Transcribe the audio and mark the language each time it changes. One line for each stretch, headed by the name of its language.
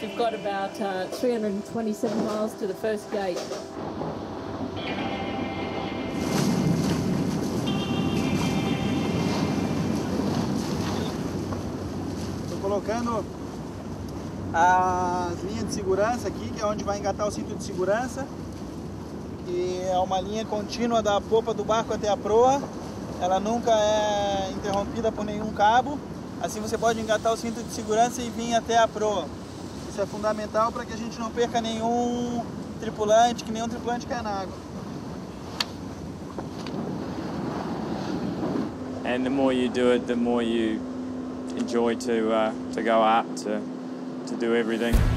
English: We've got about 327 miles to the first gate.
Portuguese: Estou colocando a linha de segurança aqui, que é onde vai engatar o cinto de segurança. E é uma linha contínua da popa do barco até a proa. Ela nunca é interrompida por nenhum cabo. Assim você pode engatar o cinto de segurança e vir até a proa. Isso é fundamental para que a gente não perca nenhum tripulante, que nenhum tripulante caia na água.
English: And the more you do it, the more you enjoy to go up to do everything.